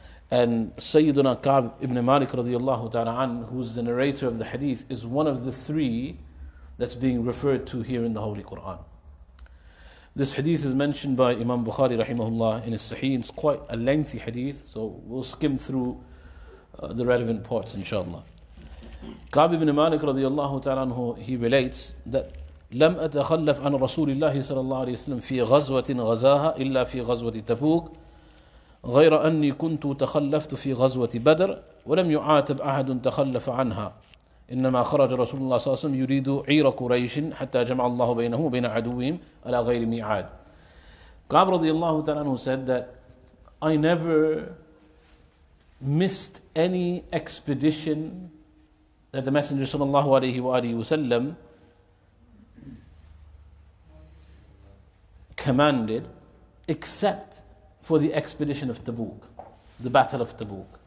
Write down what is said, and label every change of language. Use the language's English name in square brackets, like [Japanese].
[English] And Sayyiduna Ka'b ibn Malik radiallahu ta'ala an, who is the narrator of the hadith, is one of the three that's being referred to here in the Holy Quran. This hadith is mentioned by Imam Bukhari rahimahullah in his Sahih. It's quite a lengthy hadith, so we'll skim through the relevant parts, inshallah. Ka'b ibn Malik radiallahu ta'ala anhu, he relates that [Arabic] لم أتخلف عن رسول الله صلى الله عليه وسلم في غزوة غزاها إلا في غزوة تبوك غير أني كنت تخلفت في غزوة بدر ولم يعاتب أحد تخلف عنها إنما خرج رسول الله صلى الله عليه وسلم يريد عير قريش حتى جمع الله بينه وبين عدوهم على غير ميعاد. [English] Ka'b radiallahu ta'ala anhu said that I never missed any expedition that the Messenger sallallahu alayhi wa alayhi wa sallam commanded, except for the expedition of Tabuk, the Battle of Tabuk.